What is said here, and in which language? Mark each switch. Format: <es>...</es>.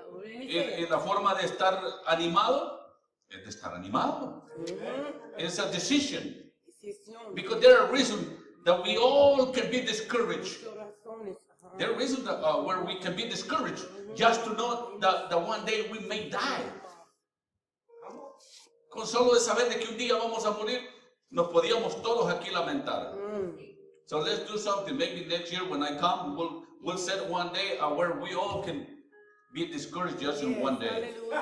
<es>Y la forma de estar animado es de estar animado.</es> <en>It's a decision. Because there are reasons that we all can be discouraged. There are reasons where we can be discouraged just to know that one day we may die.</en> <es>Con solo de saber de que un día vamos a morir, nos podíamos todos aquí lamentar.</es> <en>So let's do something. Maybe next year when I come, we'll set one day where we all can be discouraged just in one day.</en>